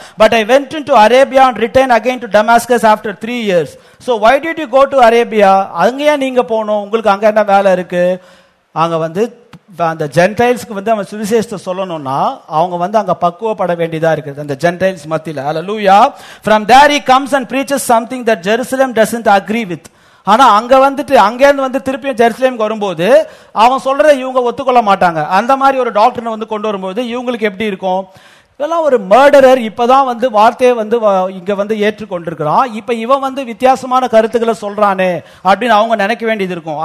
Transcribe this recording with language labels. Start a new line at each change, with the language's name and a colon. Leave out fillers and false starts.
English: But I went in to Arabia and return again to Damascus after 3 years. So why did you go to Arabia?
Tamil: அங்கேயா நீங்க போனோம், உங்களுக்கு அங்க என்ன வேலை இருக்கு? அங்க வந்து அந்த ஜென்டைல்ஸ்க்கு வந்து அவன் சுவிசேஷத்தை சொல்லணும்னா அவங்க வந்து அங்க பக்குவப்பட வேண்டியதா இருக்குது அந்த ஜென்டைல்ஸ் மத்தியில. அல்லேலூயா.
English: From there he comes and preaches something that Jerusalem doesn't agree with.
Tamil: ஆனா அங்க வந்துட்டு அங்கேருந்து வந்து திருப்பியும் ஜெருசலேமுக்கு வரும்போது அவன் சொல்றத இவங்க ஒத்துக்கொள்ள மாட்டாங்க. அந்த மாதிரி ஒரு டாக்டர் வந்து கொண்டு வரும்போது இவங்களுக்கு எப்படி இருக்கும்? இதெல்லாம் ஒரு மர்டரர், இப்பதான் வந்து வார்த்தையை வந்து இங்க வந்து ஏற்றுக்கொண்டிருக்கிறான், இப்ப இவன் வந்து வித்தியாசமான கருத்துக்களை சொல்றானே அப்படின்னு அவங்க நினைக்க வேண்டியது இருக்கும்.